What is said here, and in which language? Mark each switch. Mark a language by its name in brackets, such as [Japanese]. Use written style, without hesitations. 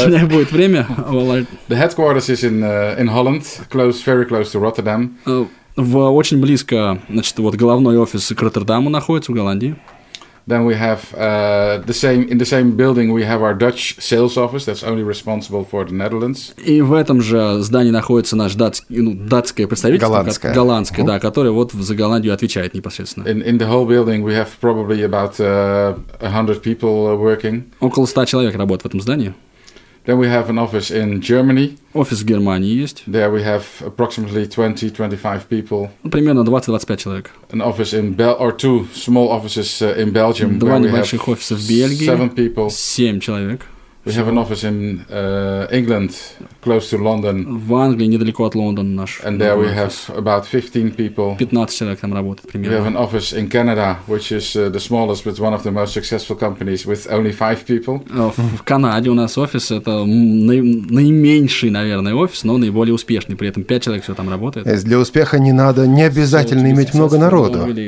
[English] The headquarters is in Holland, very close to Rotterdam. [Russian] Очень близко, значит, вот головной офис к Роттердаму находится в Голландии. [English] Then we have in the same building we have our Dutch sales office that's only responsible for the Netherlands. [Russian] И в этом же здании находится наш датское представительство, голландское, да, которое вот за Голландию отвечает непосредственно. [English] In the whole building we have probably about 100 people working. [Russian] Около 100 человек работает в этом здании. [English] Then we have an office in Germany. [Russian] Офис в Германии есть. [English] There we have approximately 20-25 people. [Russian] Примерно 20-25 человек. [English] An office in or two small offices in Belgium. [Russian] Два небольших офиса в Бельгии. [English] 7 people. [Russian] 7 человек. [English] We have an office in England, close to London. [Russian] В Англии, недалеко от Лондона наш. [English] And there we have about 15 people. [Russian] 15 человек там работает примерно. [English] We have an office in Canada, which is the smallest but one of the most successful companies, with only 5 people. [Russian] В Канаде у нас офис это наименьший, наверное, офис, но наиболее успешный, при этом 5 человек все там работает. Для успеха не обязательно иметь много народу.